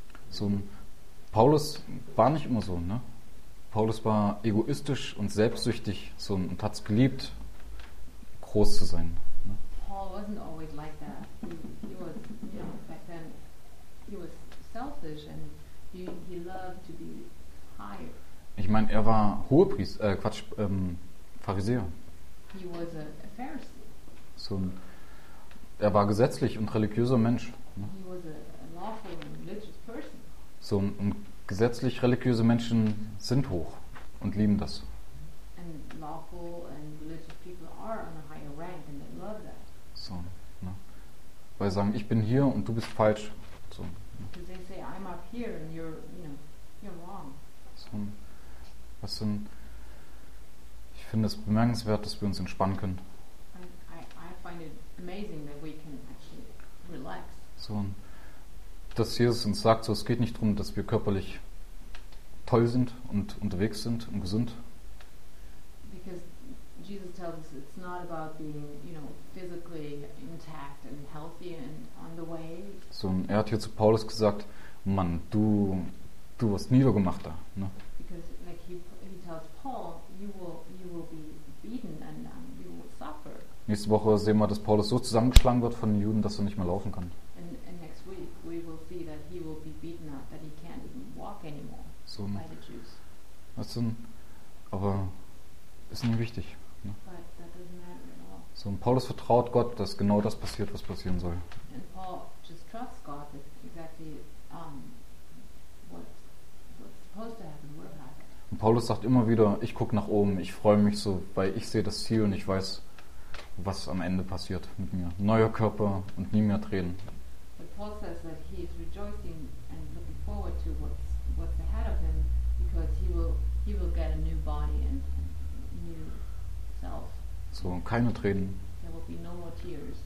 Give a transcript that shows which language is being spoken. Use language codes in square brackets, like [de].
[de] So ein Paulus war nicht immer so, ne? Paulus war egoistisch und selbstsüchtig so und hat es geliebt, groß zu sein. [en] Paul wasn't always like that. He was, you know, back then he was selfish and he loved to be high. [de] Ich meine, er war Hohepriester, Pharisäer. [en] He was a Pharisee. [de] So, er war gesetzlich und religiöser Mensch. Ne? [en] He was a lawful and religious person. [de] So, und gesetzlich religiöse Menschen sind hoch und lieben das. [en] And lawful and religious people are on a higher rank and they love that. [de] So, ne? Weil sie sagen, ich bin hier und du bist falsch. So, ne? [en] Because they say, I'm up here and you're wrong. [de] So, was sind ich finde es bemerkenswert, dass wir uns entspannen können. [en] I find it amazing that we can actually relax. [de] So, dass Jesus uns sagt, so, es geht nicht darum, dass wir körperlich toll sind und unterwegs sind und gesund. [en] Because Jesus tells us it's not about being, you know, physically intact and healthy and on the way. [de] So, und er hat hier zu Paulus gesagt, Mann, du wirst niedergemacht da. Ne? [en] Because like he tells Paul, you will be beaten and you will suffer. [de] Nächste Woche sehen wir, dass Paulus so zusammengeschlagen wird von den Juden, dass er nicht mehr laufen kann. [en] And next week we will see that he will be beaten up, that he can't even walk anymore. [de] So, [en] by the Jews. [de] Also, aber ist nicht wichtig. Ne? [en] But that doesn't matter at all. [de] So, und Paulus vertraut Gott, dass genau das passiert, was passieren soll. [en] And Paul just trusts God that exactly what's supposed to happen will happen. [de] Und Paulus sagt immer wieder, ich gucke nach oben, ich freue mich so, weil ich sehe das Ziel und ich weiß, was am Ende passiert mit mir. Neuer Körper und nie mehr Tränen. [en] But Paul says that he is rejoicing and looking forward to what's ahead of him, because he will get a new body and new self. [de] So, keine Tränen. [en] There will be no more tears.